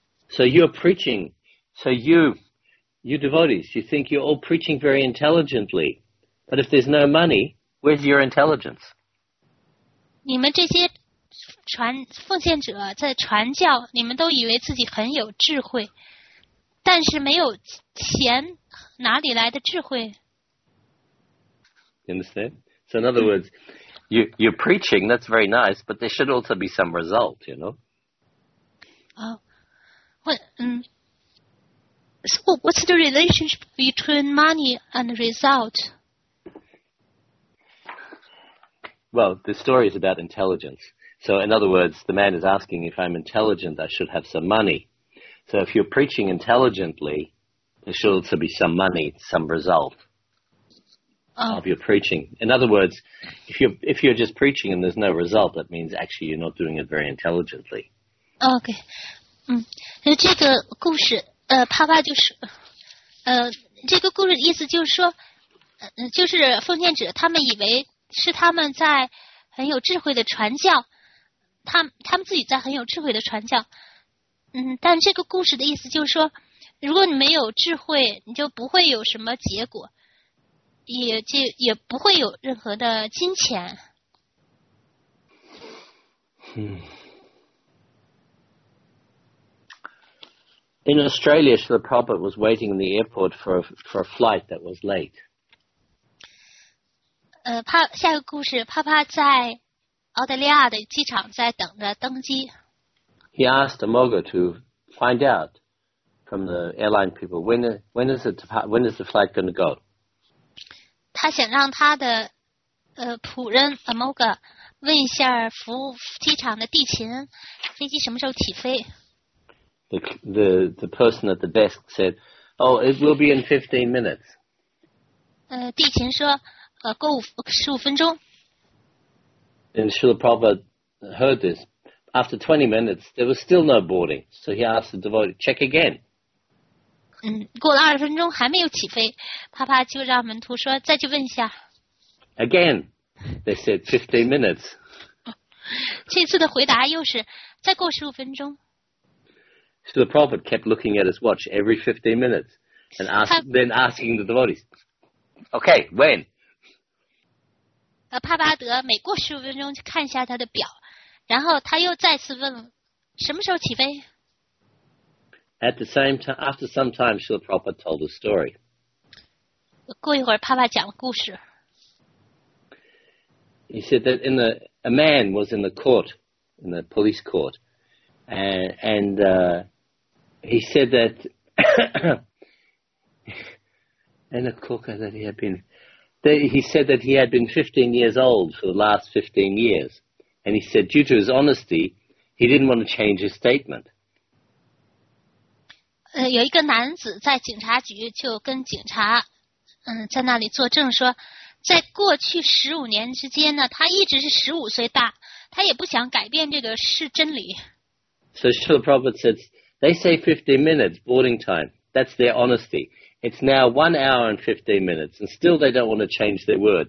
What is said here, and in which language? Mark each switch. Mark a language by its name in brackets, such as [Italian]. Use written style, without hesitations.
[English] So you're preaching. So you devotees, you think you're all preaching very intelligently, but if there's no money, where's your intelligence? [Chinese] 你们这些奉献者在传教，你们都以为自己很有智慧，但是没有钱，哪里来的智慧？ [English] You understand? So in other words, you're preaching, that's very nice, but there should also be some result, you know? So what's the relationship between money and result? Well, the story is about intelligence. So in other words, the man is asking, if I'm intelligent, I should have some money. So if you're preaching intelligently, there should also be some money, some result of your preaching. In other words, if you're just preaching and there's no result, that means actually you're not doing it very intelligently. Okay. [Chinese] 这个故事帕帕就是这个故事的意思就是说就是奉献者他们以为是他们在很有智慧的传教他们自己在很有智慧的传教但这个故事的意思就是说如果你没有智慧你就不会有什么结果也不会有任何的金钱 [English] In Australia, Srila Prabhupada was waiting in the airport for a flight that was late. [Chinese] 下一个故事，帕帕在澳大利亚的机场在等着登机。 [English] He asked Amoga to find out from the airline people when is the flight going to go. [Chinese] 他想让他的仆人 Amoga 问一下服务机场的地勤，飞机什么时候起飞。 [English] The person at the desk said, "Oh, it will be in 15 minutes." [Chinese] 地勤说，过十五分钟。 [English] And Srila Prabhupada heard this. After 20 minutes, there was still no boarding. So he asked the devotee, "Check again." [Chinese] 过了二十分钟还没有起飞，帕帕就让门徒说再去问一下。 [English] Again, they said 15 minutes. [Chinese] 这次的回答又是再过十五分钟。 [English] So the prophet kept looking at his watch every 15 minutes and asking the devotees, "Okay, when?" [Chinese] 帕巴德每过15分钟去看一下他的表，然后他又再次问什么时候起飞。 [English] At the same time, after some time, the prophet told a story. [Chinese] 过一会儿，帕巴讲了故事。 [English] He said that a man was in the court, in the police court, and he said that and a cooker that he had been he said that he had been 15 years old for the last 15 years and he said due to his honesty he didn't want to change his statement [Chinese] 有一个男子在警察局就跟警察在那里作证说，在过去15年之间呢，他一直是15岁大，他也不想改变这个是真理。 [English] So Srila Prabhupada says, they say 15 minutes boarding time. That's their honesty. It's now 1 hour and 15 minutes, and still they don't want to change their word.